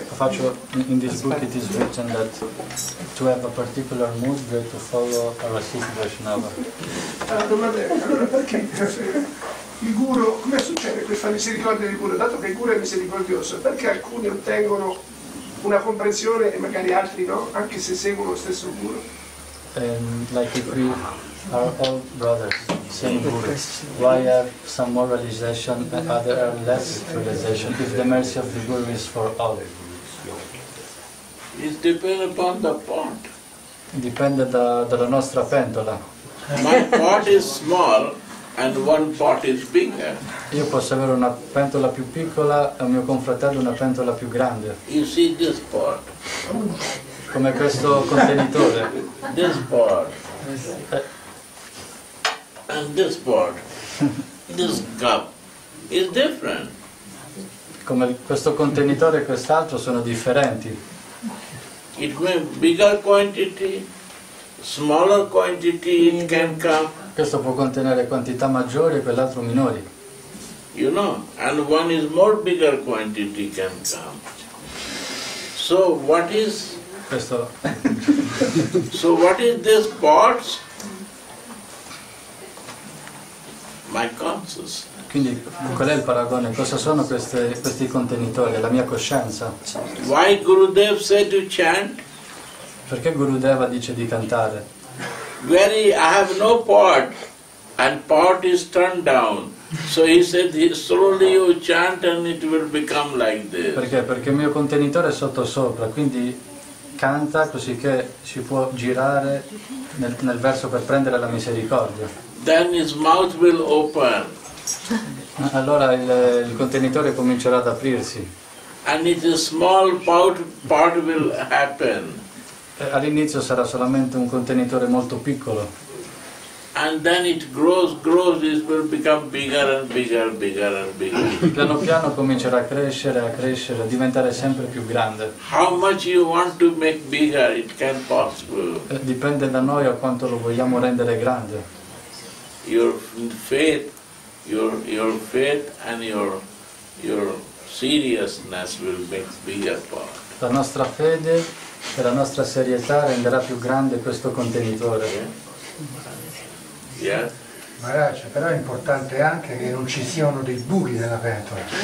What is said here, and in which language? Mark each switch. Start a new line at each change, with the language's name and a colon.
Italian: Faccio
English: in this book it is written that to have a particular mood we have to follow a sikha Vaishnava.
Italian: La domanda è, allora perché il guru, come succede questa misericordia del guru? Dato che il guru è misericordioso, perché alcuni ottengono una comprensione e magari altri no, anche se seguono lo stesso guru?
English: Like if we are all brothers, same guru, why have some more realization and other are less realization if the mercy of the guru is for all? It depends upon the pot.
Italian: Dipende dalla nostra pentola.
English: My pot is small and one pot is bigger.
Italian: Io posso avere una pentola più piccola e mio confratello una pentola più grande.
English: You see this pot.
Italian: Come questo contenitore.
English: This board. And this board. This cup is different.
Italian: Come questo contenitore e quest'altro sono differenti.
English: It may bigger quantity, smaller quantity, it can come.
Italian: Questo può contenere quantità maggiori e quell'altro minori.
English: You know, and one is more bigger quantity can come. So what is
Italian: questo.
English: So what is this pot? My consciousness.
Italian: Quindi qual è il paragone? Cosa sono questi contenitori? La mia coscienza.
English: Why Gurudev said to chant?
Italian: Perché Gurudeva dice di cantare?
English: Very, I have no pot and pot is turned down. So he said, slowly you chant and it will become like this.
Italian: Perché? Perché il mio contenitore è sotto sopra, quindi canta così che si può girare nel verso per prendere la misericordia.
English: Then his mouth will open.
Italian: Allora il contenitore comincerà ad aprirsi.
English: And it is small part will happen.
Italian: All'inizio sarà solamente un contenitore molto piccolo.
English: And then it grows, it will become bigger and bigger, bigger and bigger.
Italian: Piano piano comincerà a crescere, a diventare sempre più grande.
English: How much you want to make bigger, it can possible.
Italian: Dipende da noi a quanto lo vogliamo rendere grande.
English: Your faith and your seriousness will make bigger part.
Italian: La nostra fede e la nostra serietà renderà più grande questo contenitore. Yeah. Maharaj, però è importante anche che non ci siano dei buchi nella pentola.